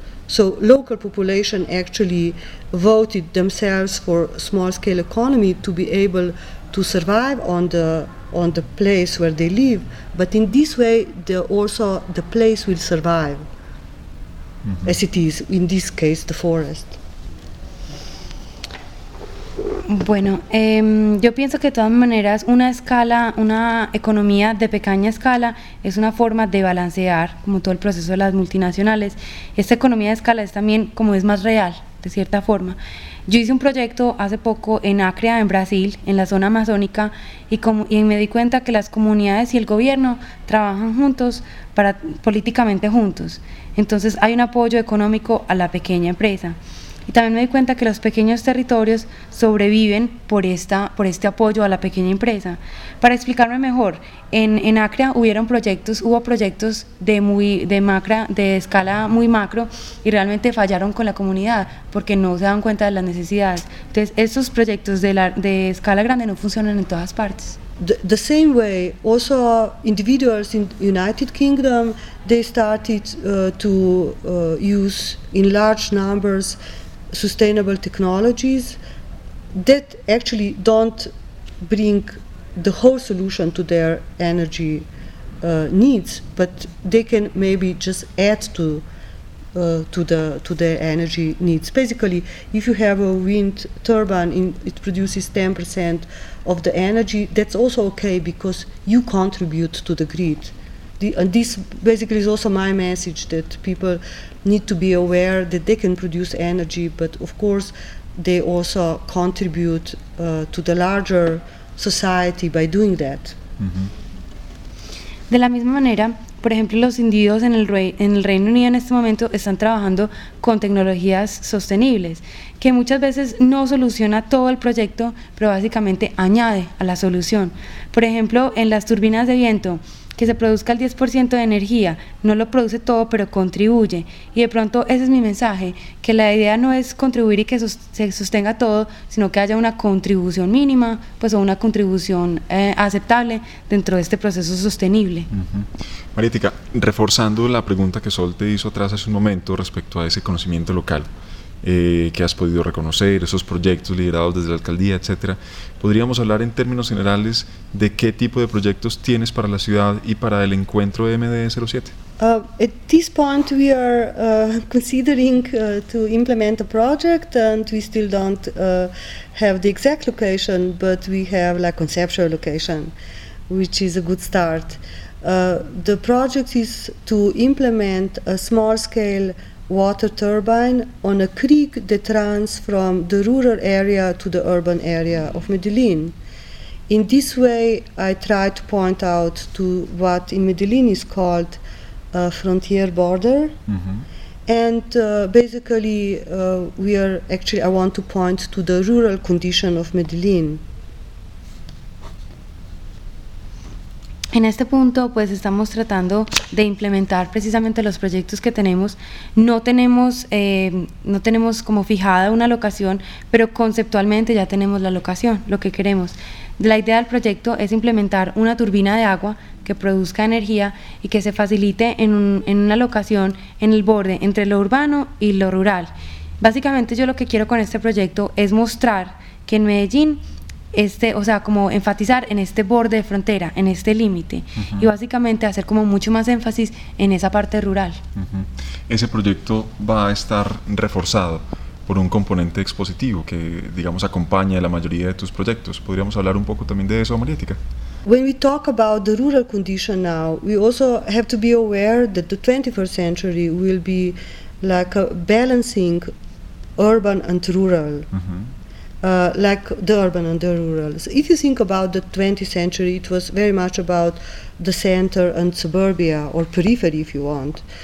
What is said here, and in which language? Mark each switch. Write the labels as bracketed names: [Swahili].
[English] So local population actually voted themselves for small scale economy to be able to survive on the place where they live, but in this way the place will survive as it is in this case the forest. [Spanish] Bueno, yo pienso que de todas maneras una economía de pequeña escala es una forma de balancear como todo el proceso de las multinacionales. Esta economía de escala es también como es más real, de cierta forma. Yo hice un proyecto hace poco en Acre, en Brasil, en la zona amazónica, y me di cuenta que las comunidades y el gobierno trabajan juntos, para políticamente juntos. Entonces hay un apoyo económico a la pequeña empresa. Y también me di cuenta que los pequeños territorios sobreviven por este apoyo a la pequeña empresa. Para explicarme mejor, en Acre hubo proyectos de escala muy macro y realmente fallaron con la comunidad porque no se dan cuenta de las necesidades. Entonces, esos proyectos de escala grande no funcionan en todas partes. [English] The same way, also individuals in United Kingdom, they started to use in large numbers sustainable technologies that actually don't bring the whole solution to their energy needs, but they can maybe just add to their energy needs. Basically, if you have a wind turbine, it produces 10% of the energy, that's also okay because you contribute to the grid. And this basically is also my message, that people need to be aware that they can produce energy, but of course they also contribute to the larger society by doing that. [Spanish] De la misma manera, por ejemplo, los individuos en el Reino Unido en este momento están trabajando con tecnologías sostenibles, que muchas veces no soluciona todo el proyecto, pero básicamente añade a la solución. Por ejemplo, en las turbinas de viento, que se produzca el 10% de energía, no lo produce todo, pero contribuye. Y de pronto ese es mi mensaje, que la idea no es contribuir y que se sostenga todo, sino que haya una contribución mínima, pues, o una contribución aceptable dentro de este proceso sostenible. Uh-huh. Marítica, reforzando la pregunta que Sol te hizo atrás hace un momento respecto a ese conocimiento local, que has podido reconocer, esos proyectos liderados desde la alcaldía, etcétera, ¿podríamos hablar en términos generales de qué tipo de proyectos tienes para la ciudad y para el encuentro de MDE07? [English] At this point we are considering to implement a project, and we still don't have the exact location, but we have like conceptual location, which is a good start. The project is to implement a small scale water turbine on a creek that runs from the rural area to the urban area of Medellin. In this way, I try to point out to what in Medellin is called a frontier border. Mm-hmm. And basically, I want to point to the rural condition of Medellin. [Spanish] En este punto, pues, estamos tratando de implementar precisamente los proyectos que tenemos. No tenemos como fijada una locación, pero conceptualmente ya tenemos la locación, lo que queremos. La idea del proyecto es implementar una turbina de agua que produzca energía y que se facilite en una locación en el borde entre lo urbano y lo rural. Básicamente, yo lo que quiero con este proyecto es mostrar que en Medellín, como enfatizar en este borde de frontera, en este límite. Uh-huh. Y básicamente hacer como mucho más énfasis en esa parte rural. Uh-huh. Ese proyecto va a estar reforzado por un componente expositivo que, digamos, acompaña a la mayoría de tus proyectos. ¿Podríamos hablar un poco también de eso, Marietica? [English] When we talk about the rural condition now, we also have to be aware that the 21st century will be like a balancing urban and rural. Uh-huh. Like the urban and the rural. So if you think about the 20th century, it was very much about the center and suburbia, or periphery if you want.